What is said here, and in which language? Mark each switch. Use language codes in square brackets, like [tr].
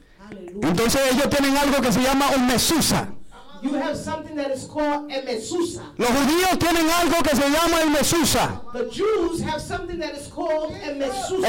[es] Entonces ellos tienen algo que se llama un mezuzá. [en] You have something that is called a mezuzah. [es] Los judíos tienen algo que se llama el mezuzah. [en] The Jews have something that is called a mezuzah.